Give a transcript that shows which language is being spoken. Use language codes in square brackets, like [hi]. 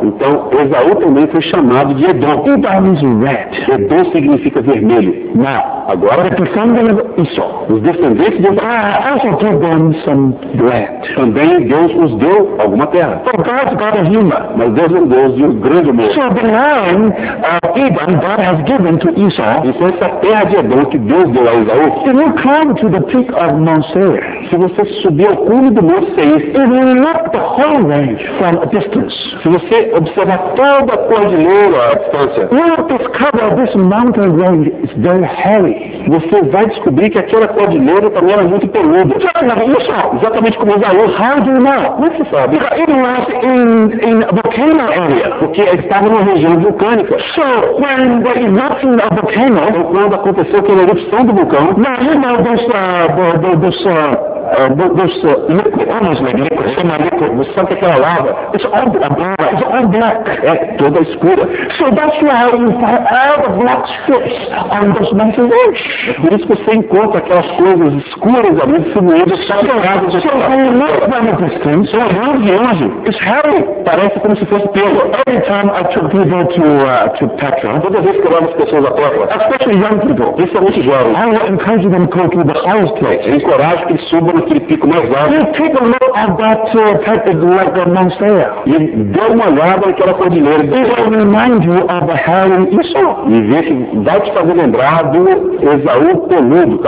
[pt] Então, Esau também foi chamado de Edom. [en] Edom means red. [pt] Edom significa vermelho. [en] Now, [pt] agora, [en] the descendants of Esau, [pt] os descendentes de Esau, [en] also gave them some bread. [pt] Também Deus os deu alguma terra. [en] So God's got a humor. [pt] Mas Deus é um Deus de um grande humor. [en] So the land of Edom God has given to Esau. [pt] Então, essa terra de Edom que Deus deu a Esau. [en] If you come to the peak of Mount Seir, [pt] se você subir ao cume do Monte Seir, [en] and you look the whole range from a distance, [pt] se você observar toda a cordilheira à distância, [en] you will discover this mountain range is very hairy. [pt] Você vai descobrir que aquela cordilheira também era muito peluda. Exatamente como Esaú. [en] How do you know? [pt] Como você sabe? [en] Because it was in a volcano area. [pt] Porque estava numa região vulcânica. [en] So when the eruption of volcano, [pt] então, quando aconteceu aquela erupção do vulcão, [en] now you know this liquid, almost like liquid, semi-liquid, [pt] você sabe que aquela lava, [en] it's all black, [pt] é toda escura. [en] So that's why you find all the black strips on those mountain range. [pt] É por isso que você encontra aquelas coisas escuras ali, sumindo, sacadas. [en] So when you look from a distance, so how do you imagine? It's hairy. [pt] Parece como se fosse pelo. [en] Every time I took people to Petra, [pt] toda vez que eu levo as pessoas a Petra, [en] especially young people, [pt] principalmente jovens, [en] I will encourage them to go to the highest place. [pt] Eu encorajo que subam naquele pico mais alto. [en] You take a look at that Petra like a Mount Seir. [pt] E dê uma olhada naquela cordilheira. [en] It will remind you of a hairy Esau. [pt] E vê se vai te fazer lembrar do Esaú peludo.